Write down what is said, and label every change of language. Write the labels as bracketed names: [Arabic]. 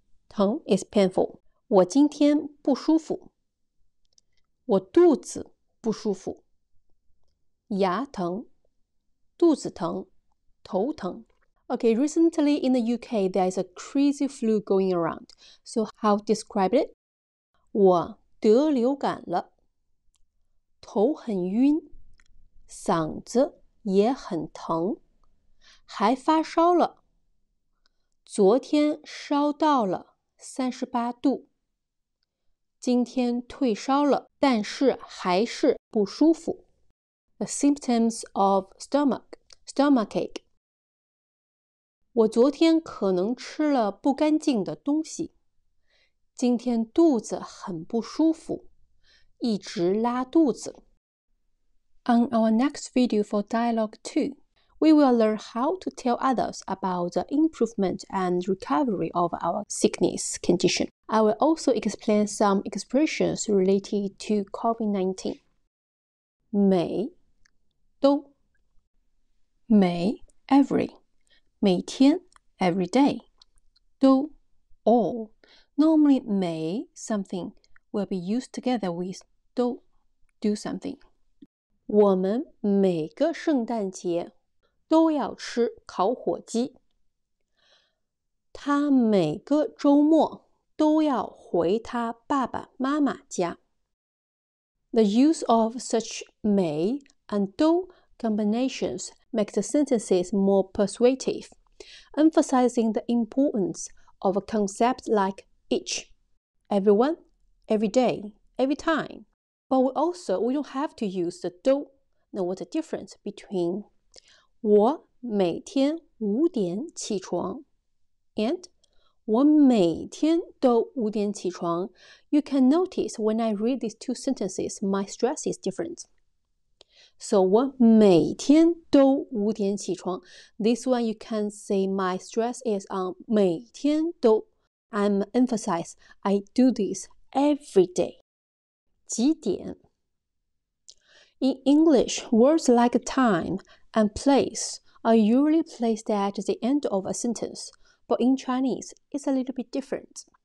[English] 疼 is painful. [Chinese] 我今天不舒服。我肚子不舒服。牙疼。肚子疼。头疼。 [English] Okay, recently in the UK, there is a crazy flu going around. So how describe it? [Chinese] 我得流感了，头很晕，嗓子也很疼，还发烧了。昨天烧到了38度，今天退烧了，但是还是不舒服。 [English] The symptoms of stomachache. [Chinese] 我昨天可能吃了不干净的东西。今天肚子很不舒服，一直拉肚子。 [English] On our next video for Dialogue 2, we will learn how to tell others about the improvement and recovery of our sickness condition. I will also explain some expressions related to COVID-19. [Chinese] 每都 [English] 每 every 每天 every day [Chinese] 都 [English] all. Normally, 每 something will be used together with 都 do something. [Chinese] 我们每个圣诞节都要吃烤火鸡。他每个周末都要回他爸爸妈妈家。 [English] The use of such 每 and 都 combinations makes the sentences more persuasive, emphasizing the importance of a concept like. Each, everyone, every day, every time. But we don't have to use the 都 Now what's the difference between [Chinese] 我每天五点起床 [English] and [Chinese] 我每天都五点起床? [English] You can notice when I read these two sentences, my stress is different. [Chinese] So 我每天都五点起床. [English] This one you can say my stress is on 每天都. I'm emphasize, I do this every day. [Chinese] 几点? [English] In English, words like time and place are usually placed at the end of a sentence, but in Chinese, it's a little bit different.